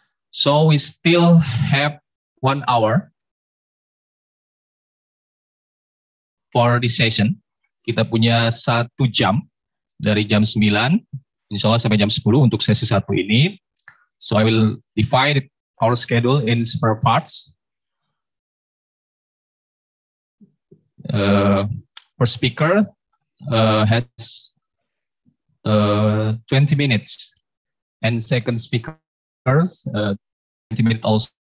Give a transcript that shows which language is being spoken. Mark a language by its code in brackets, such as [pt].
[en] So we still have 1 hour for this session. [id] Kita punya 1 jam dari jam 9 insya Allah sampai jam 10 untuk sesi 1 ini. [en] So I will divide our schedule in several parts. Per speaker has 20 minutes and second speaker 20 minutes also.